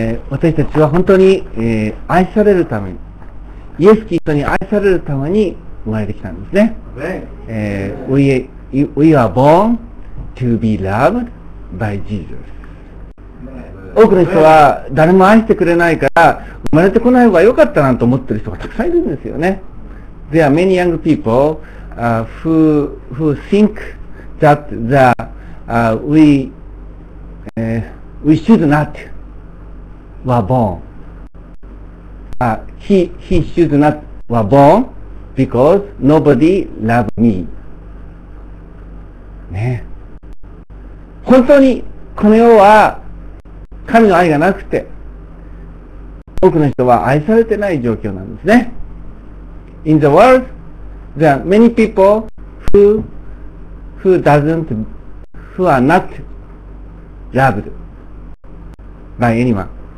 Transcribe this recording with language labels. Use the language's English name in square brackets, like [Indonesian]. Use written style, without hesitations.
[Japanese] 私たちは本当に、愛されるために、イエス・キリストに愛されるために生まれてきたんですね。 [English] We are born to be loved by Jesus. [Japanese] 多くの人は誰も愛してくれないから生まれてこない方が良かったなんて思ってる人がたくさんいるんですよね。 [English] There are many young people who think that we should not were born. He should not were born because nobody loved me. [Japanese] ね。本当にこの世は神の愛がなくて多くの人は愛されてない状況なんですね。 [English] In the world, there are many people who are not loved by anyone.